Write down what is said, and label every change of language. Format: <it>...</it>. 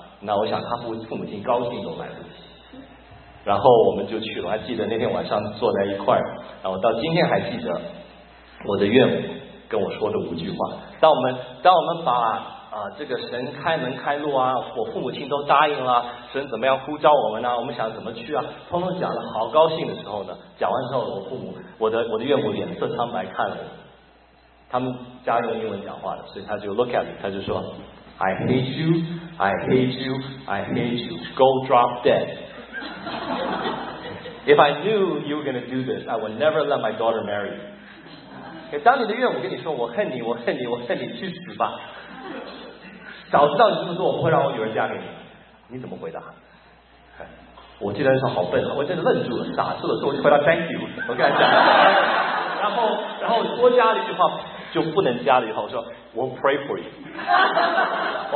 <zh>那我想他父母亲高兴都买不起。然后我们就去了，我还记得那天晚上坐在一块儿，然后到今天还记得我的岳母跟我说的5句话。当我们把这个神开门开路啊，我父母亲都答应了，神怎么样呼召我们呢，我们想怎么去啊，通通讲了，好高兴的时候呢，讲完之后我的岳母脸色苍白看了我。他们家用英文讲话的，所以他就</zh> <en>look at me，</en> <zh>他就说</zh> <en>I hate you, I hate you, I hate you, go drop dead. If I knew you were going to do this, I would never let my daughter marry you.</en> <zh>当你的岳母跟你说我恨你，我恨你，我恨你，去死吧，早知道你这么做，我不会让我女儿嫁给你。你怎么回答？我记得那时候好笨，我真的愣住了，傻住了，所以我就回答</zh> <en>thank you，</en> <zh>我跟他讲。然后多加了一句话，就不能加了以后，我说</zh> <en>we'll pray for you。</en>